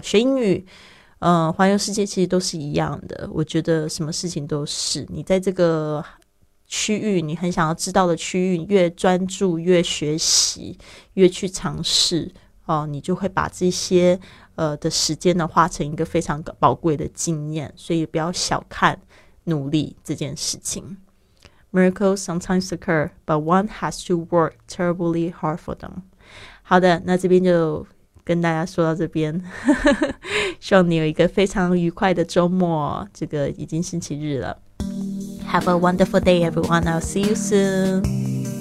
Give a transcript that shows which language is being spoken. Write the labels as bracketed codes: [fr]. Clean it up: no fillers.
[zh] 学英语环游世界其实都是一样的，我觉得什么事情都是，你在这个区域你很想要知道的区域越专注越学习越去尝试你就会把这些的时间呢化成一个非常宝贵的经验。所以不要小看努力这件事情。 [en] Miracles sometimes occur, but one has to work terribly hard for them. [zh] 好的，那这边就跟大家说到这边希望你有一个非常愉快的周末，这个已经星期日了。 [en] Have a wonderful day everyone, I'll see you soon.